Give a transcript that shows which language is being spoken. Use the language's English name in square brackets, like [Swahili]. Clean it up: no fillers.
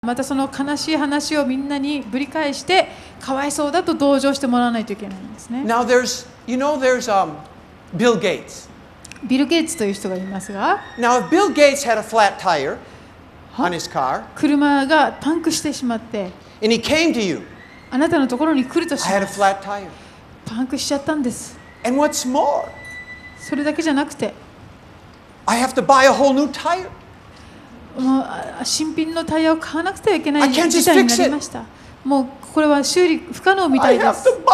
[Japanese] またその悲しい話をみんなにぶり返してかわいそうだと同情してもらわないといけないんですね。 [English] Now there's, you know, there's, Bill Gates. [Japanese] ビル・ゲイツという人がいますが、 [English] Now if Bill Gates had a flat tire on his car, [Japanese] 車がパンクしてしまって [English] and he came to you, [Japanese] あなたのところに来るとします。 [English] I had a flat tire. [Japanese] パンクしちゃったんです。 [English] And what's more, [Japanese] それだけじゃなくて [English] I have to buy a whole new tire. [Japanese] もう新品のタイヤを買わなくてはいけない事態になりました。もうこれは修理不可能みたいです。